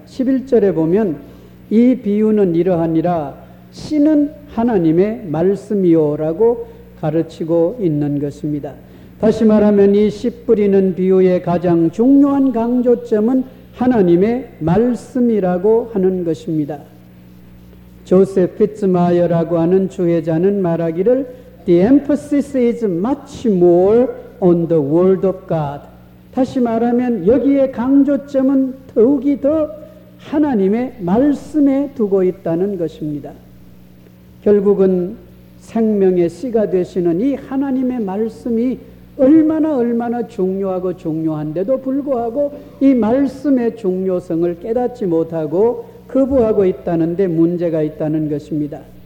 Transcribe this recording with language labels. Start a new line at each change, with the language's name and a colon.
Korean: 11절에 보면 이 비유는 이러하니라, 씨는 하나님의 말씀이요라고 가르치고 있는 것입니다. 다시 말하면 이 씨 뿌리는 비유의 가장 중요한 강조점은 하나님의 말씀이라고 하는 것입니다. 조셉 피츠마이어라고 하는 주회자는 말하기를
English: The emphasis is much more on the word of God.
Korean: 다시 말하면 여기에 강조점은 더욱이 더 하나님의 말씀에 두고 있다는 것입니다. 결국은 생명의 씨가 되시는 이 하나님의 말씀이 얼마나 중요하고 중요한데도 불구하고 이 말씀의 중요성을 깨닫지 못하고 거부하고 있다는데 문제가 있다는 것입니다.